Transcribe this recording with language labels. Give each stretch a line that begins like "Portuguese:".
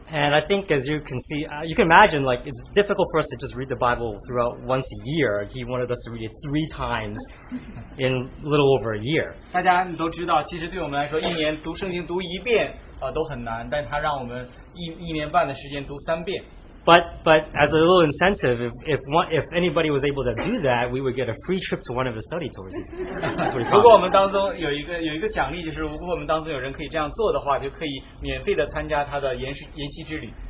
English: And I think as you can see, you can imagine, like, it's difficult for us to just read the Bible throughout once a year. He wanted us to read it 3 times in a little over a year.
Chinese: 大家都知道，其实对我们来说，一年读圣经读一遍 都很难，但他让我们一年半的时间读三遍。
English: But as a little incentive, if anybody was able to do that, we would get a free trip to one of the study tours.